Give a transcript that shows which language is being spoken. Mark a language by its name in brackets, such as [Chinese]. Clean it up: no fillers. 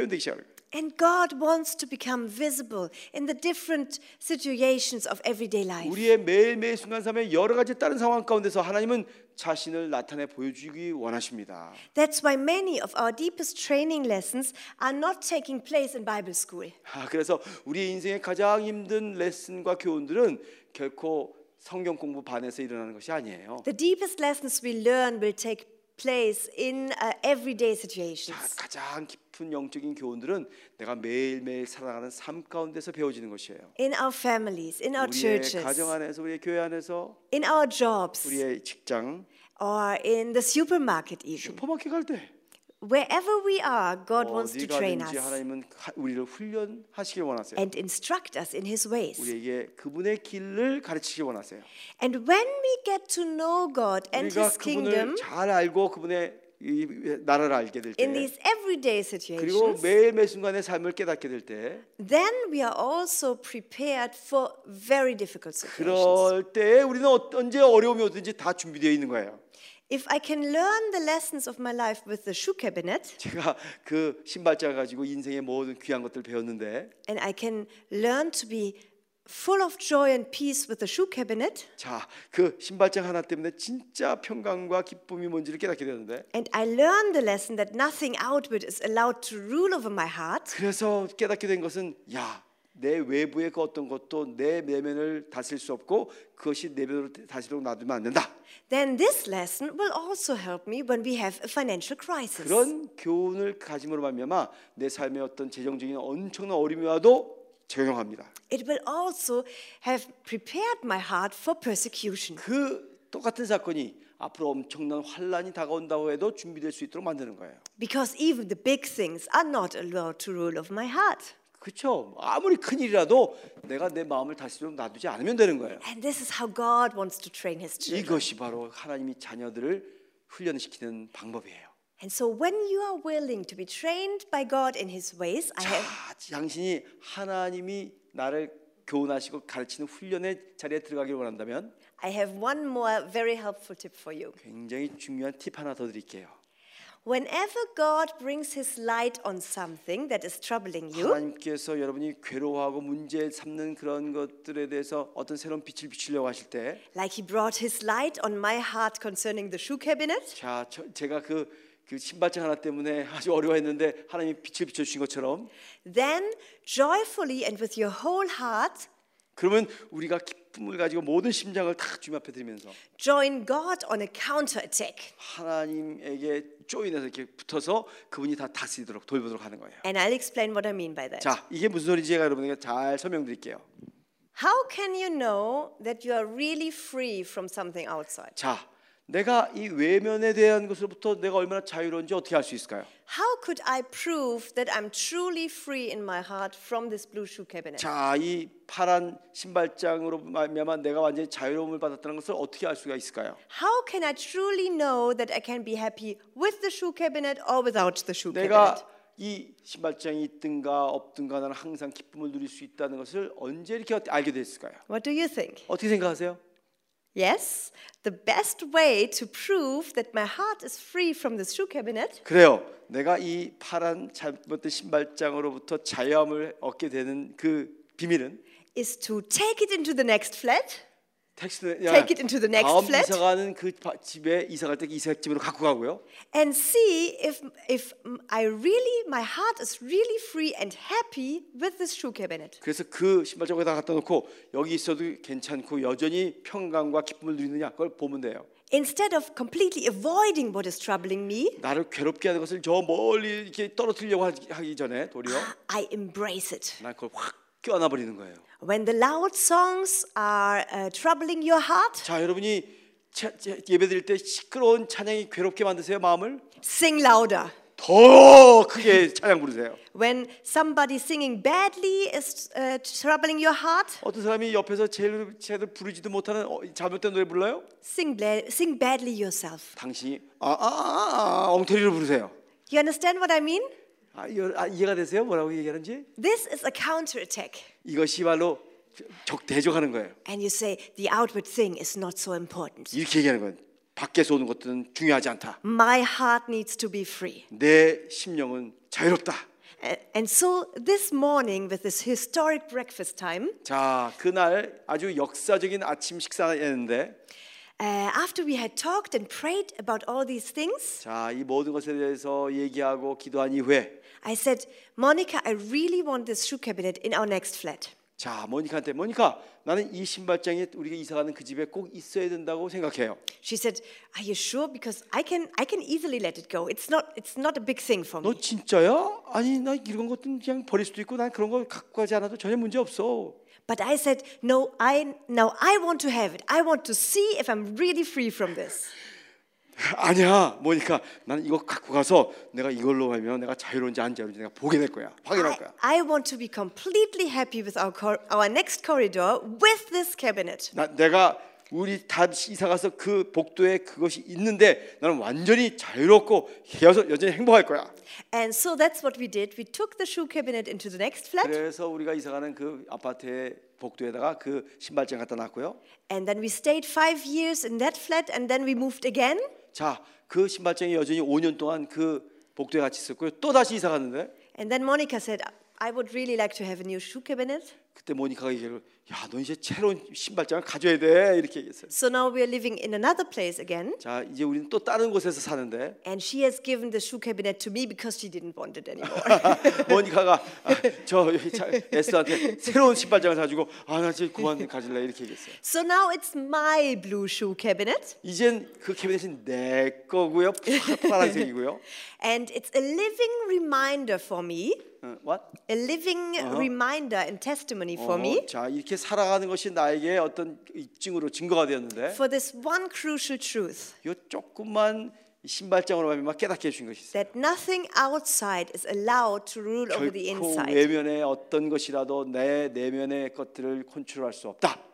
[Korean] 표현되기 시작해요. [English] And God wants to become visible in the different situations of everyday life. [Korean] 우리의 매일매일 순간 삶의 여러 가지 다른 상황 가운데서 하나님은 자신을 나타내 보여주기 원하십니다. [English] That's why many of our deepest training lessons are not taking place in Bible school. [Korean] 그래서 우리 인생의 가장 힘든 레슨과 교훈들은 결코 성경 공부 반에서 일어나는 것이 아니에요. [English] The deepest lessons we learn will take place in everyday situations. [Korean] 가장 깊은 영적인 교훈들은 내가 매일매일 살아가는 삶 가운데서 배워지는 것이에요. [English] In our families, in our churches. [Korean] 우리의 가정 안에서, 우리의 교회 안에서. [English] In our jobs. [Korean] 우리의 직장. [English] Or in the supermarket even. [Korean] 슈퍼마켓 갈 때. [English] Wherever we are, God wants to train us. [Korean] 어디 가든지 하나님은 우리를 훈련하시길 원하세요. [English] And instruct us in His ways. [Korean] 우리에게 그분의 길을 가르치시길 원하세요. [English] And when we get to know God and His kingdom, [Korean] 우리가 그분을 잘 알고 그분의 이 나라를 알게 될 때, [English] in these everyday situations, [Korean] 그리고 매일매일 순간의 삶을 깨닫게 될 때, [English] then we are also prepared for very difficult situations. [Korean] 그럴 때 우리는 언제 어려움이 오든지 다 준비되어 있는 거예요. [English] If I can learn the lessons of my life with the shoe cabinet, [Korean] 제가 그 신발장 가지고 인생의 모든 귀한 것들 배웠는데, [English] and I can learn to be full of joy and peace with the shoe cabinet. [Korean] 자, 그 신발장 하나 때문에 진짜 평강과 기쁨이 뭔지를 깨닫게 되는데. [English] And I learned the lesson that nothing outward is allowed to rule over my heart. [Korean] 그래서 깨닫게 된 것은 야, 내 외부의 그 어떤 것도 내 내면을 다스릴 수 없고 그것이 내면으로 다스리도록 놔두면 안 된다. [English] Then this lesson will also help me when we have a financial crisis. [Korean] 그런 교훈을 가짐으로 말미암아 내 삶의 어떤 재정적인 엄청난 어려움이 와도 적용합니다. [English] It will also have prepared my heart for persecution. [Korean] 그 똑같은 사건이 앞으로 엄청난 환난이 다가온다고 해도 준비될 수 있도록 만드는 거예요. [English] Because even the big things are not allowed to rule over my heart. [Korean] 그렇죠. 아무리 큰 일이라도 내가 내 마음을 다스리도록 놔두지 않으면 되는 거예요. [English] And this is how God wants to train his children. [Korean] 이것이 바로 하나님이 자녀들을 훈련시키는 방법이에요. [English] And so when you are willing to be trained by God in his ways, [Korean] 자, [English] I have [Korean] 당신이 하나님이 나를 교훈하시고 가르치는 훈련의 자리에 들어가기를 원한다면 [English] I have one more very helpful tip for you. [Korean] 굉장히 중요한 팁 하나 더 드릴게요. [English] Whenever God brings His light on something that is troubling you, [Korean] 하나님께서 여러분이 괴로워하고 문제 삼는 그런 것들에 대해서 어떤 새로운 빛을 비추려고 하실 때, [English] like He brought His light on my heart concerning the shoe cabinet. [Korean] 자, 제가 그 신발장 하나 때문에 아주 어려워했는데 하나님이 빛을 비춰주신 것처럼, [English] then joyfully and with your whole heart. [Korean] 그러면 우리가 기쁨을 가지고 모든 심장을 다 주님 앞에 드리면서 [English] join God on a counterattack. [Korean] 하나님에게 조인해서 이렇게 붙어서 그분이 다 다스리도록 돌보도록 하는 거예요. [English] And I'll explain what I mean by that. [Korean] 자, 이게 무슨 소리인지 제가 여러분에게 잘 설명드릴게요. [English] How can you know that you are really free from something outside? [Korean] 자, 내가 이 외면에 대한 것으로부터 내가 얼마나 자유로운지 어떻게 알 수 있을까요? [English] How could I prove that I'm truly free in my heart from this blue shoe cabinet? [Korean] 자, 이 파란 신발장으로 말미암아 내가 완전히 자유로움을 받았다는 것을 어떻게 알 수가 있을까요? [English] How can I truly know that I can be happy with the shoe cabinet or without the shoe [Korean] 내가 [English] cabinet? [Korean] 이 신발장이 있든가 없든가 나는 항상 기쁨을 누릴 수 있다는 것을 언제 이렇게 알게 됐을까요? [English] What do you think? [Korean] 어떻게 생각하세요? [English] Yes, the best way to prove that my heart is free from this shoe cabinet. [Korean] 그래요. 내가 이 파란 잘못된 신발장으로부터 자유함을 얻게 되는 그 비밀은 [English] is to take it into the next flat. [Korean] 택시는, [English] take it into the next [Korean] 다음 [English] flat. [Korean] 다음 이사가는 그 집에 이사갈 때 이사 집으로 갖고 가고요. [English] And see if I really my heart is really free and happy with this shoe cabinet. [Korean] 그래서 그 신발장에다 갖다 놓고 여기 있어도 괜찮고 여전히 평강과 기쁨을 누리느냐 그걸 보면 돼요. [English] Instead of completely avoiding what is troubling me, [Korean] 나를 괴롭게 하는 것을 저 멀리 이렇게 떨어뜨리려고 하기 전에 도리어 [English] I embrace it. [Korean] 나 그걸 확 껴안아 버리는 거예요. [English] When the loud songs are troubling your heart, [Korean] 자 여러분이 예배드릴 때 시끄러운 찬양이 괴롭게 만드세요 마음을. [English] Sing louder. [Korean] 더 크게 찬양 부르세요. [English] When somebody singing badly is troubling your heart, [Korean] 어떤 사람이 옆에서 제대로 부르지도 못하는 잘못된 노래 불러요? [English] Sing badly yourself. [Korean] 당신이 엉터리로 부르세요. [English] You understand what I mean? [Korean] 이해가 되세요? 뭐라고 얘기하는지? [English] This is a counterattack. [Korean] 이것이 바로 대적하는 거예요. [English] And you say the outward thing is not so important. [Korean] 이렇게 얘기하는 건 밖에서 오는 것들은 중요하지 않다. [English] My heart needs to be free. [Korean] 내 심령은 자유롭다. [English] And so this morning with this historic breakfast time. [Korean] 자, 그날 아주 역사적인 아침 식사였는데. [English] After we had talked and prayed about all these things, [Korean] 자, 이 모든 것에 대해서 얘기하고 기도한 이후에, [English] I said, Monica, I really want this shoe cabinet in our next flat. [Korean] 자, 모니카한테, 모니카, 나는 이 신발장이 우리가 이사 가는 그 집에 꼭 있어야 된다고 생각해요. [English] She said, Are you sure? Because I can easily let it go. It's not a big thing for me. [Korean] 너 진짜야? 아니, 나 이런 것들은 그냥 버릴 수도 있고, 난 그런 거 갖고 가지 않아도 전혀 문제 없어. [English] But I said, no, I want to have it. I want to see if I'm really free from this. [Korean] 아니야, 모니카. 나는 이거 갖고 가서 내가 이걸로 하면 내가 자유로운지 안 자유로운지 내가 보게 될 거야. 확인할 거야. [English] I want to be completely happy with our next corridor with this cabinet. [Korean] 내가 우리 다시 이사 가서 그 복도에 그것이 있는데 나는 완전히 자유롭고 여전히 행복할 거야. [English] And so that's what we did. We took the shoe cabinet into the next flat. [Korean] 그래서 우리가 이사 가는 그 아파트의 복도에다가 그 신발장 갖다 놨고요. [English] And then we stayed 5 years in that flat and then we moved again. [Korean] 자, 그 신발장이 여전히 5년 동안 그 복도에 같이 있었고요. 또 다시 이사 갔는데 [English] And then Monica said, I would really like to have a new shoe cabinet. [Korean] 그때 모니카가 얘기를 야, 너 이제 새로운 신발장을 가져야 돼. 이렇게 얘기했어요. [English] So now we are living in another place again. [Korean] 자, 이제 우리는 또 다른 곳에서 사는데. [English] And she has given the shoe cabinet to me because she didn't want it anymore. [Korean] 모니카가 저 에스한테 새로운 신발장을 사 주고 아, 나 이제 그만 가질래. 이렇게 얘기했어요. [English] So now it's my blue shoe cabinet. [Korean] 이젠 그 캐비닛은 내 거고요. 파란색이고요. [English] And it's a living reminder for me. What? A living reminder and testimony for me. [Korean] 자, 이렇게 살아가는 것이 나에게 어떤 입증으로 증거가 되었는데. [English] For this one crucial truth. [Korean] 요 조금만 신발장으로 말미암아 깨닫게 해준 것이 있어요. [English] That nothing outside is allowed to rule over the inside. [Korean] 결코 외면의 어떤 것이라도 내 내면의 것들을 컨트롤할 수 없다.